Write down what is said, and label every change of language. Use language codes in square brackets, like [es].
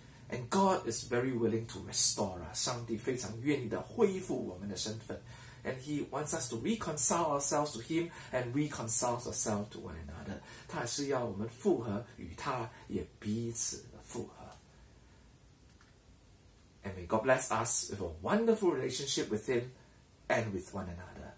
[en] And God is very willing to restore us. [zh] 上帝非常愿意的恢复我们的身份。 [en] And He wants us to reconcile ourselves to Him and reconcile ourselves to one another. [zh] 他还是要我们复合与他，也彼此的复合。 [en] And may God bless us with a wonderful relationship with Him and with one another.